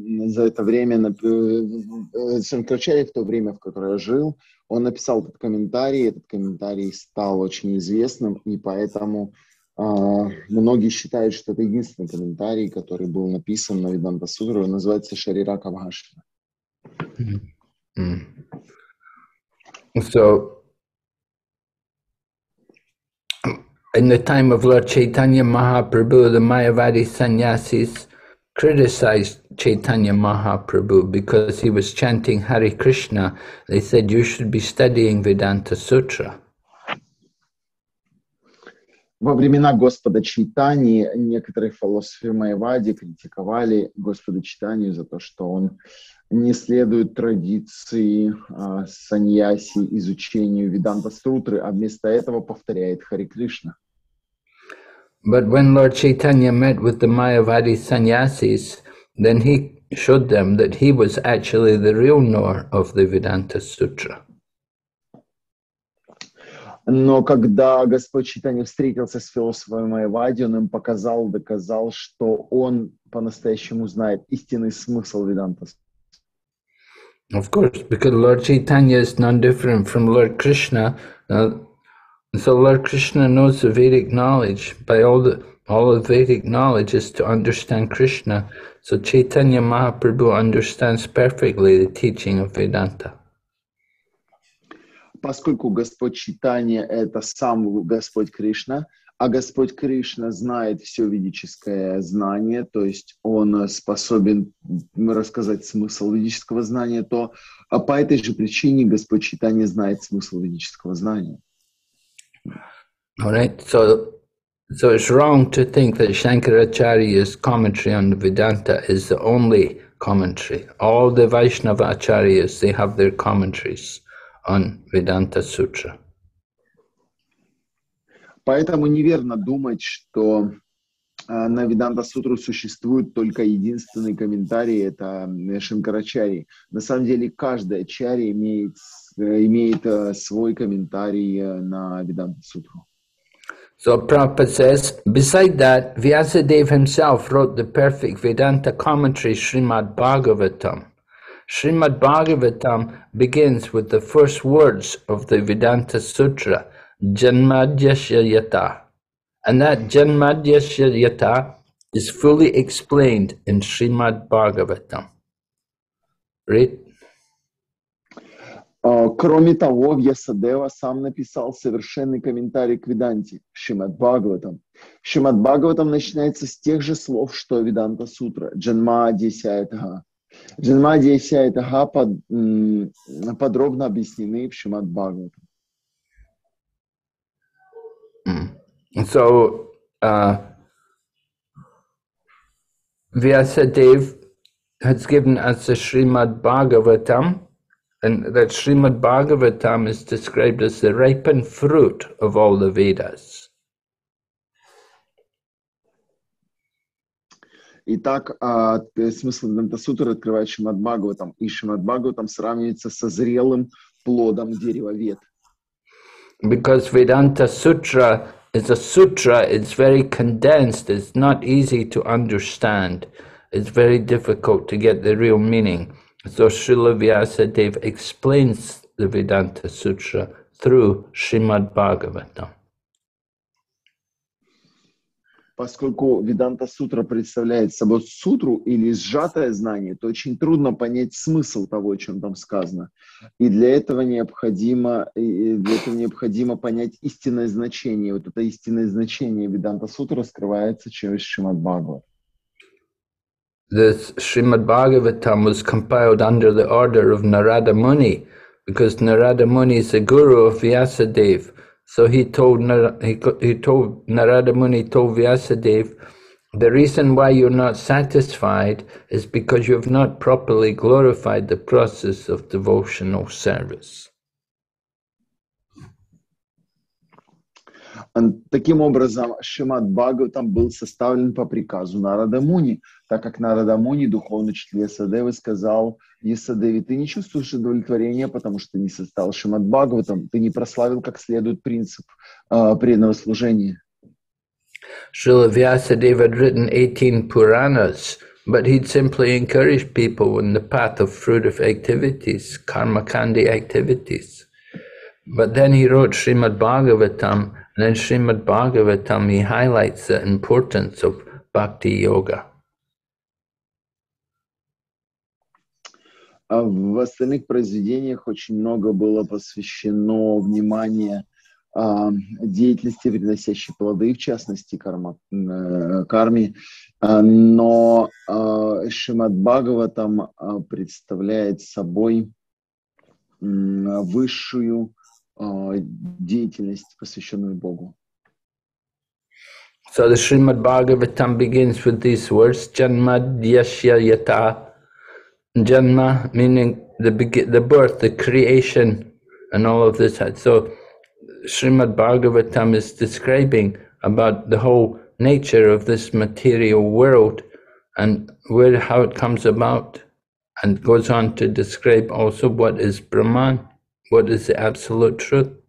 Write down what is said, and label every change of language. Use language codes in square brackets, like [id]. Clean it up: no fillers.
[ru] за это время, Шанкарачарья в то время, в которое я жил, он написал этот комментарий, этот комментарий стал очень известным, и поэтому многие считают, что это единственный комментарий, который был написан на Веданта Сутру, называется Шарира Кавашна. [en] So, in the time of Lord Chaitanya Mahaprabhu, the Mayavadi sannyasis criticized Chaitanya Mahaprabhu because he was chanting Hare Krishna. They said, you should be studying Vedanta Sutra. [ru] Во времена Господа Чайтани некоторые философы Майавади критиковали Господа Чайтани за то, что он не следует традиции саньяси изучению Веданта Сутры, а вместо этого повторяет Хари Кришна. [en] But when Lord Chaitanya met with the Mayavadi sannyasis, then he showed them that he was actually the real knower of the Vedanta Sutra. [ru] Но когда Господь Чайтанья встретился с философом Майавади, он им показал, доказал, что он по-настоящему знает истинный смысл Веданта. [en] Of course, because Lord Chaitanya is no different from Lord Krishna. So Lord Krishna knows the Vedic knowledge. By all the Vedic knowledge is to understand Krishna. So Chaitanya Mahaprabhu understands perfectly the teaching of Vedanta. [ru] Поскольку Господь Чайтанья – это сам Господь Кришна, а Господь Кришна знает все ведическое знание, то есть он способен рассказать смысл ведического знания, то по этой же причине Господь Чайтанья знает смысл ведического знания. [en] All right. So it's wrong to think that Shankaracharya's commentary on Vedanta is the only commentary. All the Vaishnava Acharyas, they have their commentaries on Vedanta Sutra. [ru] Поэтому неверно думать, что на Веданта Сутру существует только единственный комментарий, это Шанкарачари. На самом деле каждая Ачари имеет свой комментарий на Веданта Сутру. [en] So Prabhupada says, beside that, Vyasadeva himself wrote the perfect Vedanta commentary Srimad Bhagavatam. Srimad Bhagavatam begins with the first words of the Vedanta Sutra, Janmadhyasyayata. And that Janmadhyasyayata is fully explained in Srimad Bhagavatam. Read. [ru] Кроме того, Вьясадева сам написал совершенный комментарий к Веданте, Шримад Бхагаватам. Шримад Бхагаватам начинается с тех же слов, что Веданта Сутра, Джанмадхисайтха. Джанмадия Сяйтага подробно объяснены в Шримад Бхагаватам. [en] So, Vyasadev has given us the Shrimad Bhagavatam, and that Shrimad Bhagavatam is described as the ripened fruit of all the Vedas. [ru] Итак, смысл Веданта Сутры открывает Шримад Бхагаватам, и Шримад Бхагаватам сравнивается со зрелым плодом дерева вет. [en] Because Vedanta Sutra is a sutra, it's very condensed, it's not easy to understand, it's very difficult to get the real meaning. So Srila Vyasadeva explains the Vedanta Sutra through Shrimad Bhagavatam. [ru] Поскольку Веданта Сутра представляет собой сутру или сжатое знание, то очень трудно понять смысл того, о чем там сказано. И для этого необходимо понять истинное значение. Вот это истинное значение Веданта Сутра раскрывается через Шримад Бхагаватам. [en] This Shrimad Bhagavatam was compiled under the order of Narada Muni, because Narada Muni is the guru of Vyasadeva. So he told Narada Muni Vyasadeva, the reason why you're not satisfied is because you have not properly glorified the process of devotional service. [ru] Таким образом, Шримад Бхагаватам был составлен по приказу Нарада Муни, так как Нарада Муни, духовный учитель Ясадевы, сказал Ясадеве, ты не чувствуешь удовлетворения, потому что не составил Шримад Бхагаватам, ты не прославил как следует принцип преданного служения. [en] Шрила Вьясадева had written 18 Puranas, But he'd simply encourage people in the path of fruitive activities, karmakandi activities. But then he wrote Srimad Bhagavatam, and in Srimad Bhagavatam he highlights the importance of bhakti yoga. [ru] В остальных произведениях очень много было посвящено внимание деятельности, приносящей плоды, в частности, карме, но Шримад Бхагаватам представляет собой высшую деятельность, посвященную Богу. [en] So the Shrimad Bhagavatam begins with these words, janma dyasya yata. Janma meaning the birth, the creation, and all of this. So Srimad Bhagavatam is describing about the whole nature of this material world and where, how it comes about, and goes on to describe also what is Brahman, what is the absolute truth.